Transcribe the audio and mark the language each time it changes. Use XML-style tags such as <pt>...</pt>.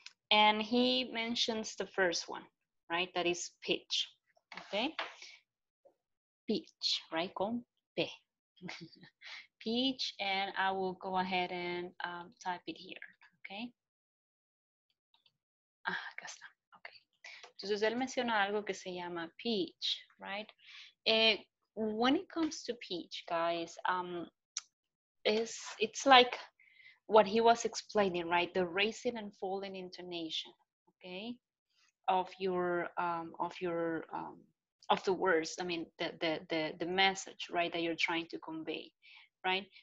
<en>And he mentions the first one, right? That is pitch, okay? Pitch, right?</en> <es>Con P.</es> <en>Pitch, and I will go ahead and type it here, okay?</en> <es>Ah, acá está,</es> <en>okay.</en> <es>Entonces, él menciona algo que se llama pitch,</es> <en>right? When it comes to pitch, guys, it's like what he was explaining, right? The raising and falling intonation, okay? Of the words, I mean, the message, right, that you're trying to convey, right?</en>